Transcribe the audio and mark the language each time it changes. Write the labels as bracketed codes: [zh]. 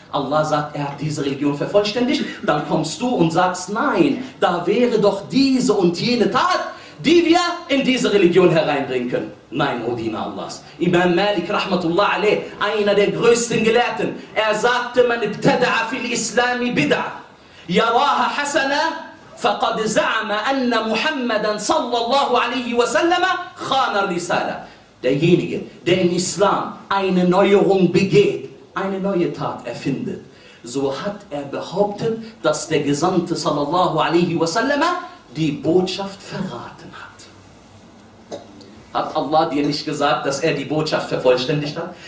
[de] Allah sagt, er hat diese Religion vervollständigt, dann kommst du und sagst, nein, da wäre doch diese und jene Tat, die wir in diese Religion hereinbringen können. Nein, o Diener Allahs. Imam Malik, rahmatullah alayh, einer der größten Gelehrten, er sagte, [ar] man ibtada'a fil islami bid'a. يراها حسنة فقد زعم أن محمدا صلى الله عليه وسلم خان الرسالة. [de] Derjenige, der im Islam eine Neuerung begeht, eine neue Tat erfindet, so hat er behauptet, dass der Gesandte [ar] صلى الله عليه وسلم [de] die Botschaft verraten hat. Hat Allah dir nicht gesagt, dass er die Botschaft vervollständigt hat?